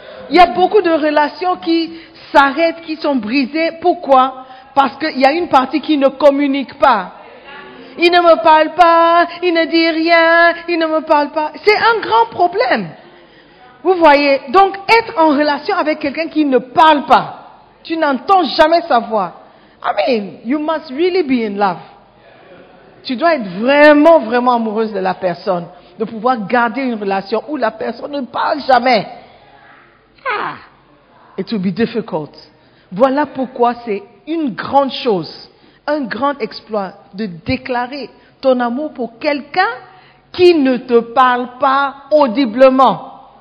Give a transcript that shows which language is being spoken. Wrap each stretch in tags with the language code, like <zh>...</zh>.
<fr>Il y a beaucoup de relations qui s'arrêtent, qui sont brisées. Pourquoi? Parce qu'il y a une partie qui ne communique pas. Il ne me parle pas, il ne dit rien, il ne me parle pas. C'est un grand problème. Vous voyez, donc être en relation avec quelqu'un qui ne parle pas, tu n'entends jamais sa voix.</fr> <en>I mean, you must really be in love.</en> <fr>Tu dois être vraiment, vraiment amoureuse de la personne, de pouvoir garder une relation où la personne ne parle jamais.</fr> <en>Ah, it will be difficult.</en> <fr>Voilà pourquoi c'est une grande chose, un grand exploit de déclarer ton amour pour quelqu'un qui ne te parle pas audiblement.</fr>